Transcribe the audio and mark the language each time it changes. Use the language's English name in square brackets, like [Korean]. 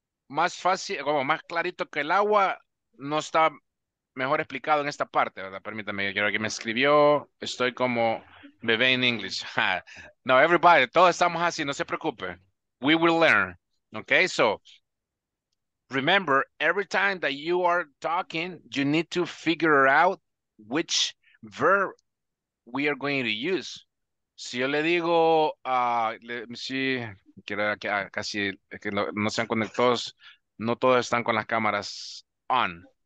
[Spanish] Más fácil, como más clarito que el agua, no está mejor explicado en esta parte, ¿verdad? Permítame, yo creo que me escribió, estoy como bebé en inglés. No, everybody, todos estamos así, no se preocupe. [English] We will learn, okay? So, remember, every time that you are talking, you need to figure out which verb we are going to use. [Spanish] Si yo le digo, [English] let me see, [Spanish] quiero que casi que no sean conectados, no todos están con las cámaras on.